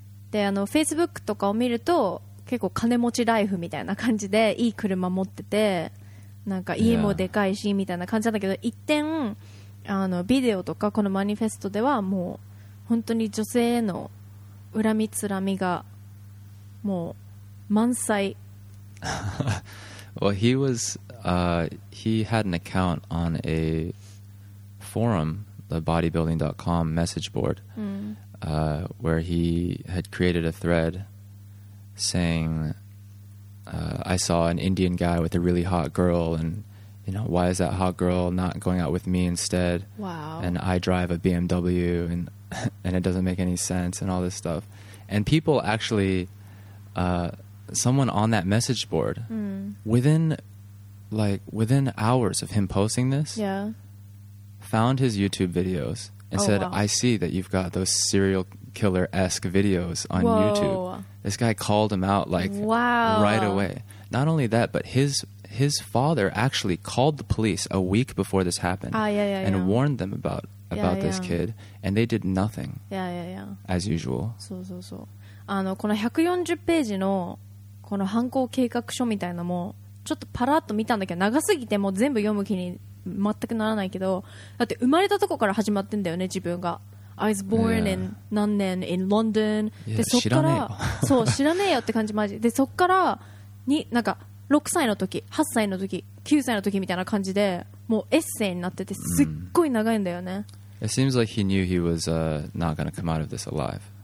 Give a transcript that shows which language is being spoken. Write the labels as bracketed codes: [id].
[ja] で、あの Facebook とかを見ると結構金持ちライフみたいな感じでいい車持ってて、なんか家もでかいしみたいな感じなんだけど、一点あのビデオとかこのマニフェストではもう本当に女性への恨みつらみがもう満載。 [en] Well, he was, he had an account on a forum, the bodybuilding.com message board, where he had created a threadsaying, I saw an Indian guy with a really hot girl, and you know, why is that hot girl not going out with me instead? Wow. And I drive a BMW, and it doesn't make any sense, and all this stuff. And people actually, someone on that message board, within hours of him posting this, found his YouTube videos and said, wow. I see that you've got those serial killer-esque videos on YouTube. This guy called him out like right away. Not only that, but his father actually called the police a week before this happened warned them about this kid, and they did nothing. As usual. [ja] そう。あのこの140ページのこの犯行計画書みたいなのもちょっとパラッと見たんだけど、長すぎてもう全部読む気に全くならないけど、だって生まれたとこから始まってんだよね自分が。 [en] I was born in [ja] 何年 [en] in London. [ja] で、そっから、そう、知らねえよって感じマジで、そっからになんか6歳の時、8歳の時、9歳の時みたいな感じでもうエッセイになってて、すっごい長いんだよね。 [en] It seems like he knew he was not going to come out of this alive.